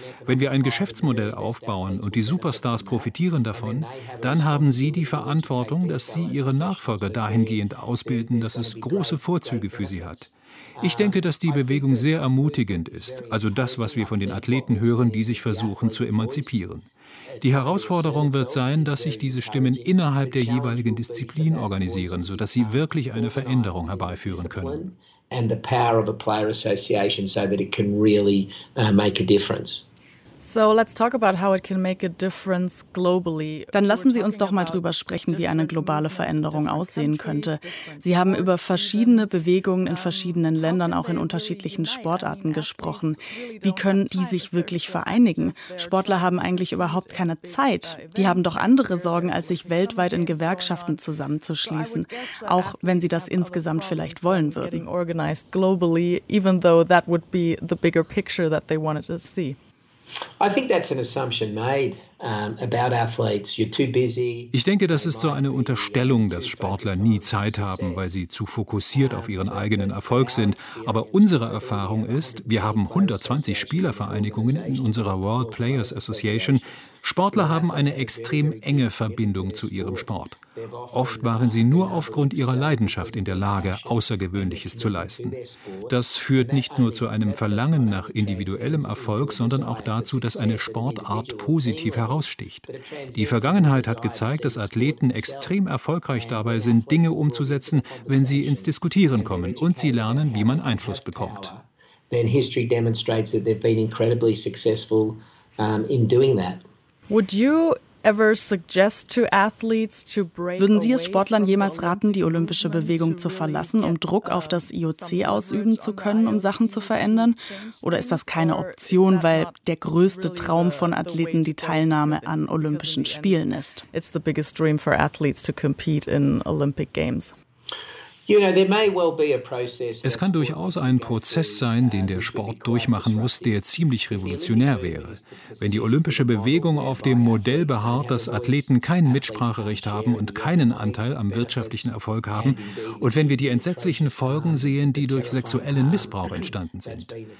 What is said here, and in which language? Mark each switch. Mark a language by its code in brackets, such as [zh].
[de] Wenn wir ein Geschäftsmodell aufbauen und die Superstars profitieren davon, dann haben sie die Verantwortung, dass sie ihre Nachfolger dahingehend ausbilden, dass es große Vorzüge für sie hat. Ich denke, dass die Bewegung sehr ermutigend ist, also das, was wir von den Athleten hören, die sich versuchen zu emanzipieren. Die Herausforderung wird sein, dass sich diese Stimmen innerhalb der jeweiligen Disziplin organisieren, sodass sie wirklich eine Veränderung herbeiführen können. [en] And the power of a player association so that it can really make a difference. So let's talk about how it can make a difference globally. [de] Dann lassen Sie uns doch mal drüber sprechen, wie eine globale Veränderung aussehen könnte. Sie haben über verschiedene Bewegungen in verschiedenen Ländern, auch in unterschiedlichen Sportarten gesprochen. Wie können die sich wirklich vereinigen? Sportler haben eigentlich überhaupt keine Zeit. Die haben doch andere Sorgen, als sich weltweit in Gewerkschaften zusammenzuschließen, auch wenn sie das insgesamt vielleicht wollen würden. [en] Organized globally, even though that would be the bigger picture that they wanted to see. I think that's an assumption made about athletes. You're too busy. [de] Ich denke, das ist so eine Unterstellung, dass Sportler nie Zeit haben, weil sie zu fokussiert auf ihren eigenen Erfolg sind. Aber unsere Erfahrung ist, wir haben 120 Spielervereinigungen in unserer World Players Association. Sportler haben eine extrem enge Verbindung zu ihrem Sport. Oft waren sie nur aufgrund ihrer Leidenschaft in der Lage, Außergewöhnliches zu leisten. Das führt nicht nur zu einem Verlangen nach individuellem Erfolg, sondern auch dazu, dass eine Sportart positiv heraussticht. Die Vergangenheit hat gezeigt, dass Athleten extrem erfolgreich dabei sind, Dinge umzusetzen, wenn sie ins Diskutieren kommen und sie lernen, wie man Einfluss bekommt. [en] Then history demonstrates that they've been incredibly successful in doing that. Would you ever suggest to athletes to break? [de] Würden Sie es Sportlern jemals raten, die olympische Bewegung zu verlassen, um Druck auf das IOC ausüben zu können, um Sachen zu verändern? Oder ist das keine Option, weil der größte Traum von Athleten die Teilnahme an Olympischen Spielen ist? [en] It's the biggest dream for athletes to compete in Olympic Games. [de] Es kann durchaus ein Prozess sein, den der Sport durchmachen muss, der ziemlich revolutionär wäre. Wenn die olympische Bewegung auf dem Modell beharrt, dass Athleten kein Mitspracherecht haben und keinen Anteil am wirtschaftlichen Erfolg haben, und wenn wir die entsetzlichen Folgen sehen, die durch sexuellen Missbrauch entstanden sind.